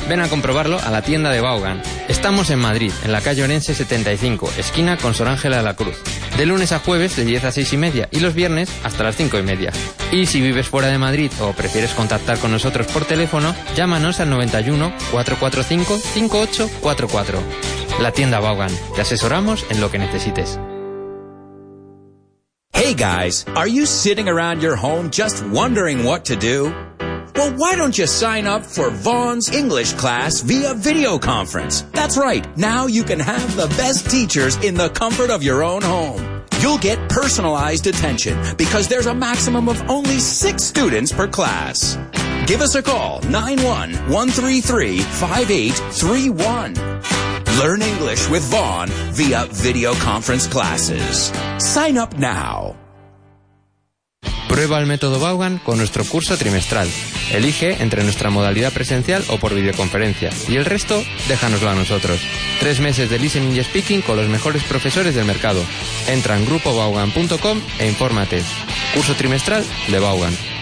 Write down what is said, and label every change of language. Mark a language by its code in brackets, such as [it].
[es] Ven a comprobarlo a la tienda de Vaughan. Estamos en Madrid, en la calle Orense 75, esquina con Sor Ángela de la Cruz. De lunes a jueves de 10 a 6 y media y los viernes hasta las 5 y media. Y si vives fuera de Madrid o prefieres contactar con nosotros por teléfono, llámanos al 91-445-5844. La tienda Vaughan. Te asesoramos en lo que necesites. [en] Hey guys, are you sitting around your home just wondering what to do? Well, why don't you sign up for Vaughn's English class via video conference? That's right. Now you can have the best teachers in the comfort of your own home. You'll get personalized attention because there's a maximum of only 6 students per class. Give us a call, 91-133-5831. Learn English with Vaughn via video conference classes. Sign up now. [es] Prueba el método Vaughan con nuestro curso trimestral. Elige entre nuestra modalidad presencial o por videoconferencia. Y el resto, déjanoslo a nosotros. 3 meses de listening y speaking con los mejores profesores del mercado. Entra en grupovaughan.com e infórmate. Curso trimestral de Vaughan.